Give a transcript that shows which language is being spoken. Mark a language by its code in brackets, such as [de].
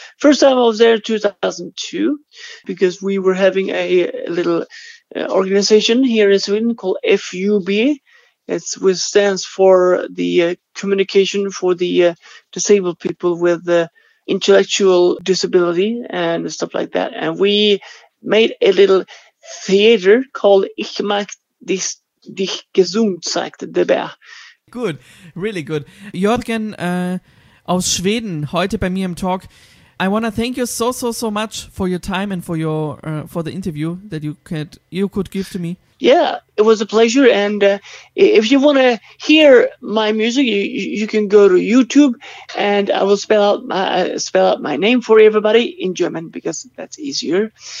[en] First time I was there in 2002 because we were having a little organization here in Sweden called FUB. It's, which stands for the communication for the disabled people with intellectual disability and stuff like that. And we made a little theater called [de] Ich mag dich gesund, sagt der Bär. [en] Good, really good. [de] Jörgen aus Schweden, heute bei mir im Talk. [en] I want to thank you so, so, so much for your time and for the interview that you could give to me. Yeah, it was a pleasure. And if you want to hear my music, you can go to YouTube and I will spell out my name for everybody in German because that's easier.